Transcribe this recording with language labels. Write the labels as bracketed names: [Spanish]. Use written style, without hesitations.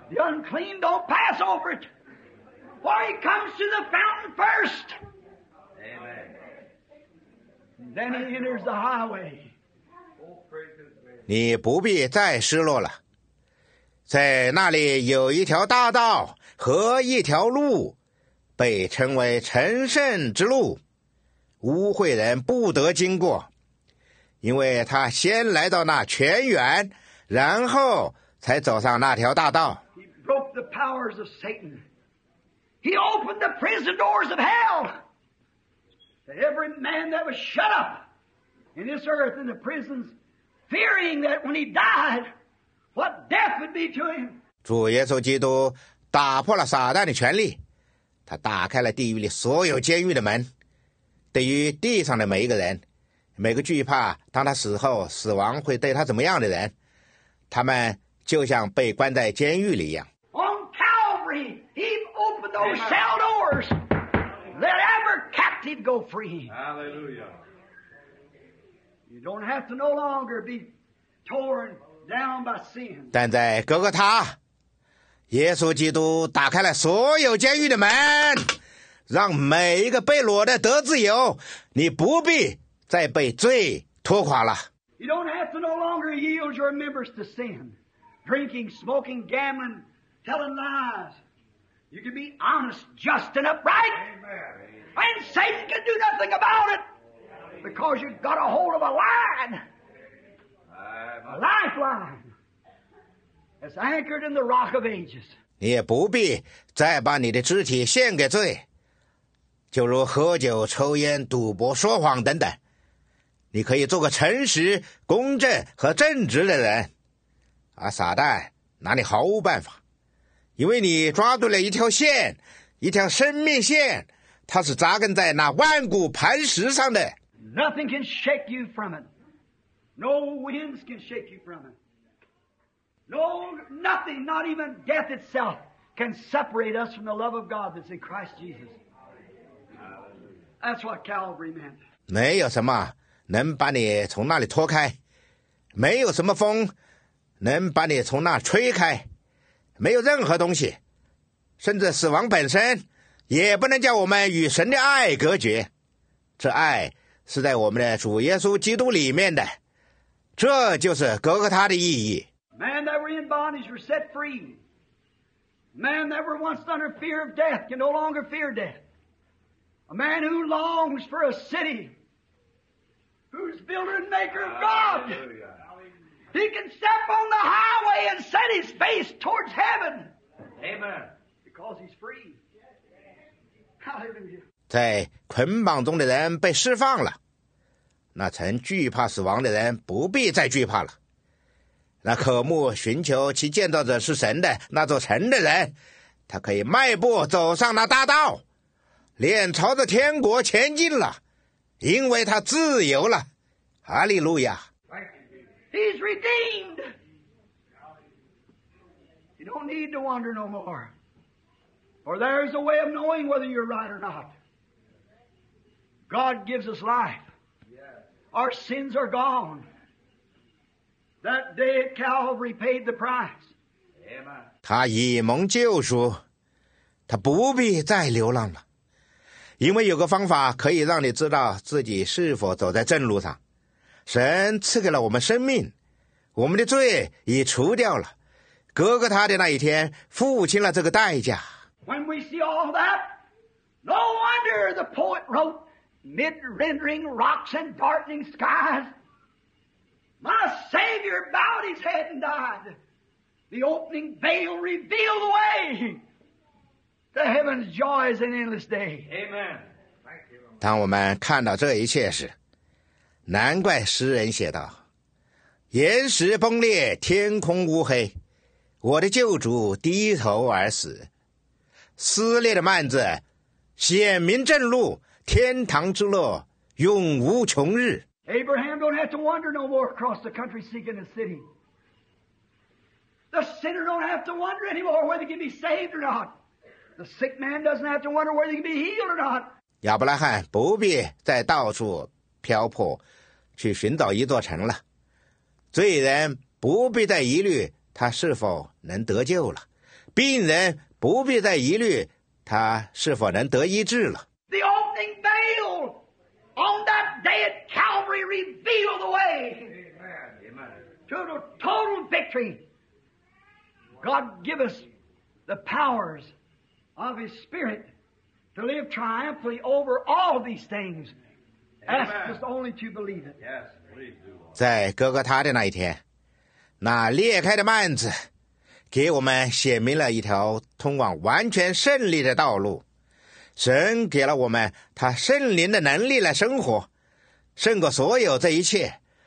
[English] The unclean don't pass over it. For he comes to the fountain first. Amen. Then he enters the highway. [Chinese] 你不必再失落了，在那里有一条大道和一条路，被称为成圣之路，污秽人不得经过，因为他先来到那泉源，然后才走上那条大道。 [English] He broke the powers of Satan. He opened the prison doors of hell. Every man that was shut up in this earth in the prisons, fearing that when he died, what death would be to him. [Chinese] 主耶稣基督打破了撒旦的权力，他打开了地狱里所有监狱的门，对于地上的每一个人，每个惧怕当他死后死亡会对他怎么样的人，他们就像被关在监狱里一样。 [English] On Calvary, he opened those cell doors. Let every captive go free. Hallelujah. You don't have to no longer be torn down by sin. [Chinese] 但在哥哥他，耶稣基督打开了所有监狱的门，让每一个被掳的得自由，你不必再被罪拖垮了。 [English] You don't have to no longer yield your members to sin, drinking, smoking, gambling, telling lies. You can be honest, just, and upright. Amen. And Satan can do nothing about it because you've got a hold of a line, a lifeline. It's anchored in the rock of ages. [Chinese] 你也不必再把你的肢体献给罪，就如喝酒、抽烟、赌博、说谎等等。你可以做个诚实、公正和正直的人，而撒旦拿你毫无办法，因为你抓住了一条线，一条生命线，它是扎根在那万古磐石上的。 [English] Nothing can shake you from it. No winds can shake you from it. No, nothing, not even death itself, can separate us from the love of God that's in Christ Jesus. That's what Calvary meant. [Chinese] 没有什么能把你从那里拖开，没有什么风能把你从那吹开，没有任何东西，甚至死亡本身，也不能叫我们与神的爱隔绝。这爱是在我们的主耶稣基督里面的，这就是哥哥他的意义。 [English] Man that were in bondage were set free. Man that were once under fear of death can no longer fear death. A man who longs for a city, who's builder and maker of God, he can step on the highway and set his face towards heaven. Amen. Because he's free. Hallelujah. [Chinese] 在捆绑中的人被释放了，那曾惧怕死亡的人不必再惧怕了。那渴慕寻求其建造者是神的那座城的人，他可以迈步走上那大道，脸朝着天国前进了，因为他自由了。哈利路亚。 [English] He's redeemed. You don't need to wonder no more. For there is a way of knowing whether you're right or not. God gives us life. Our sins are gone. That day at Calvary paid the price. Amen. [Chinese] 他已蒙救赎，他不必再流浪了，因为有个方法可以让你知道自己是否走在正路上。神赐给了我们生命，我们的罪已除掉了。哥哥他的那一天付清了这个代价。 [English] When we see all that, no wonder the poet wrote, "Mid rending rocks and darkening skies." My Savior bowed his head and died. The opening veil revealed the way. The heaven's joy is an endless day. Amen. [Chinese] 当我们看到这一切时，难怪诗人写道：岩石崩裂，天空乌黑，我的救主低头而死。撕裂的幔子，显明正路，天堂之乐，永无穷日。 [English] Abraham don't have to wander no more across the country seeking a city. The sinner don't have to wonder anymore whether he can be saved or not. The sick man doesn't have to wonder whether he can be healed or not. [Chinese] 亚伯拉罕不必再到处漂泊去寻找一座城了。罪人不必再疑虑他他是否能得救了。病人不必再疑虑他是否能得医治了。 [English] The opening veil on that day at Calvary revealed the way to the total victory. God give us the powers of His Spirit to live triumphantly over all of these things. Ask us only to believe it. Yes, please do. [Chinese] 在哥哥他的那一天，那裂开的幔子给我们写明了一条通往完全胜利的道路。神给了我们他圣灵的能力来生活，胜过所有这一切。